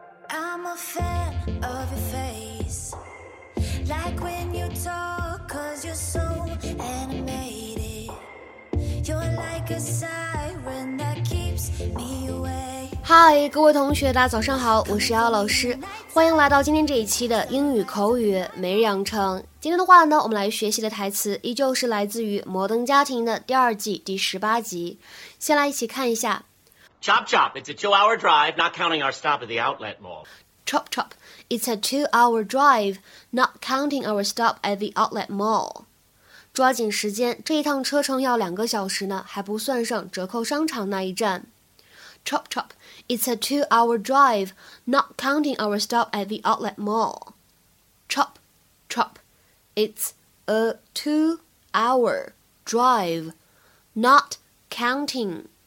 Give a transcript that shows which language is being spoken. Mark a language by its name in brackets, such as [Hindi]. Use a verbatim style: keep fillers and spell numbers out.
[English] I'm a fan of your face, like when you talk, cause you're so animated. You're like a siren that keeps me away. [Chinese] 嗨，各位同学，大家早上好，我是姚老师，欢迎来到今天这一期的英语口语每日养成。今天的话呢，我们来学习的台词依旧是来自于《摩登家庭》的第二季第十八集，先来一起看一下。 [English] Chop chop, it's a two-hour drive, not counting our stop at the outlet mall. Chop chop, it's a two-hour drive, not counting our stop at the outlet mall. [Chinese] 抓紧时间，这一趟车程要两个小时呢，还不算上折扣商场那一站。 [English] Chop chop, it's a two-hour drive, not counting our stop at the outlet mall. Chop chop, it's a two-hour drive, not counting.